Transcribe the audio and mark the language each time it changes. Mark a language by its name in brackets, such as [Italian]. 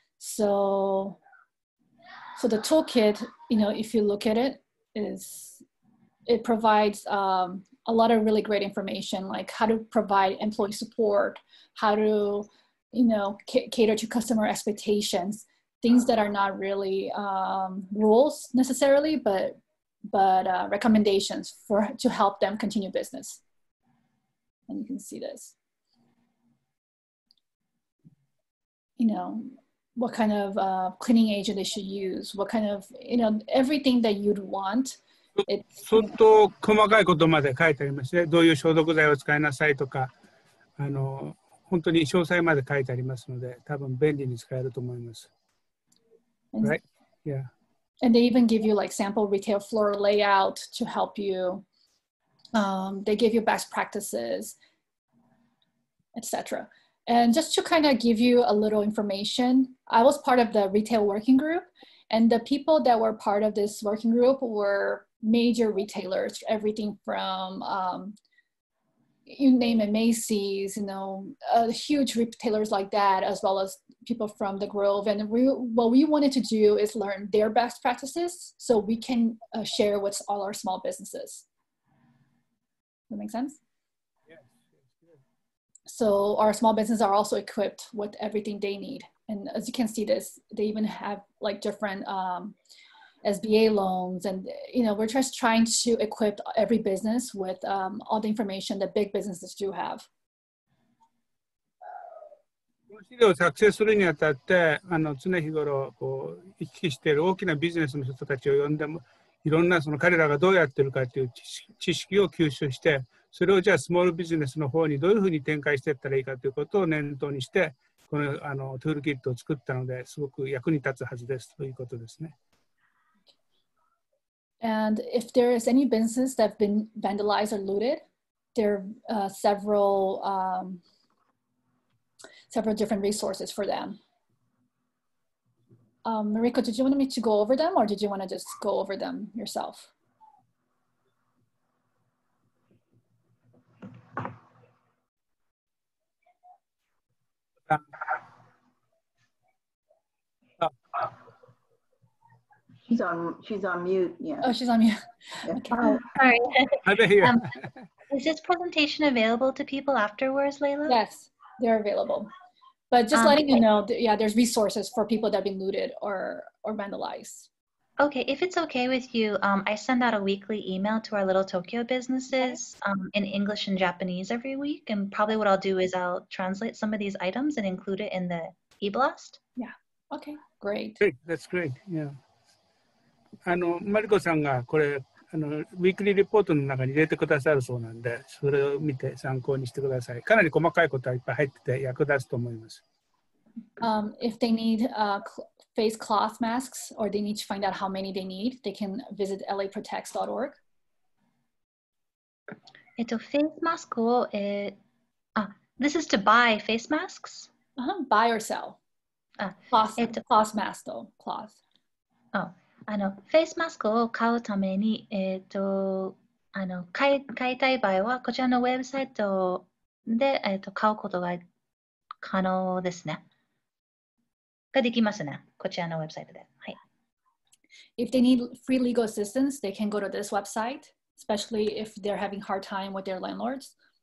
[English] So the toolkit, you know, if you look at it, it provides a lot of really great information, like how to provide employee support, how to, you know, cater to customer expectations, things that are not really rules necessarily, but recommendations to help them continue business. And you can see this. You know, what kind of cleaning agent they should use, what kind of, you know, everything that you'd want. [Japanese] It's, 相当細かいことまで書いてありますね。どういう消毒剤を使いなさいとか、あの本当に詳細まで書いてありますので、多分便利に使えると思います。 [English] And, right? Yeah. And they even give you like sample retail floor layout to help you. They give you best practices, etc. And just to kind of give you a little information, I was part of the retail working group, and the people that were part of this working group were major retailers, everything from you name it, Macy's, you know, huge retailers like that, as well as people from the Grove. And what we wanted to do is learn their best practices so we can share with all our small businesses. That make sense? Yes. So our small businesses are also equipped with everything they need. And as you can see this, they even have like different SBA loans, and you know, we're just trying to equip every business with all the information that big businesses do have. [Japanese] この資料を作成するにあたって、あの常日頃こう行き来している大きなビジネスの人たちを呼んでも、いろんなその彼らがどうやってるかという知識を吸収して、それをじゃあスモールビジネスの方にどういうふうに展開していったらいいかということを念頭にして、このあのトゥールキットを作ったのですごく役に立つはずですということですね。 [English] And if there is any businesses that have been vandalized or looted, there are several different resources for them. Mariko, did you want me to go over them or did you want to just go over them yourself? She's on mute. Oh, she's on mute. Yeah. Okay. Oh, sorry. I'm here. Is this presentation available to people afterwards, Layla? Yes, they're available. But just letting you know, there's resources for people that have been looted or vandalized. Okay, if it's okay with you, I send out a weekly email to our Little Tokyo businesses in English and Japanese every week. And probably what I'll do is I'll translate some of these items and include it in the e-blast. Yeah. Okay, great. Great. That's great. Yeah. [Japanese] あのマリコさんがこれあのウィークリーリポートの中に入れてくださるそうなんで、それを見て参考にしてください。かなり細かいことはいっぱい入ってて役立つと思います。 [English] If they need face cloth masks or they need to find out how many they need, they can visit laprotects.org. Face mask を、this is to buy face masks? Uh-huh. Buy or sell. Cloth mask though. Cloth. [Japanese] あのフェイスマスクを買うために、あの買いたい場合はこちらのウェブサイトで、買うことが可能ですね。ができますね。こちらのウェブサイトで。はい。 [English] If they need free legal assistance, they can go to this website, especially if they're having hard time with their landlords.